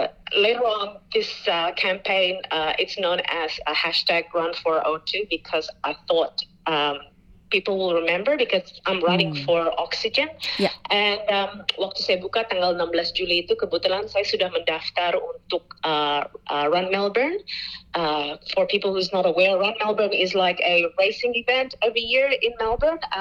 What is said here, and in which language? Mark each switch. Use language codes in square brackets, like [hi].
[en] Later on, this campaign, it's known as a hashtag run402, because I thought people will remember because I'm running for oxygen. Yeah. And [id] waktu saya buka tanggal 16 Juli itu, kebetulan saya sudah mendaftar untuk Run Melbourne. [en] For people who's not aware, Run Melbourne is like a racing event every year in Melbourne.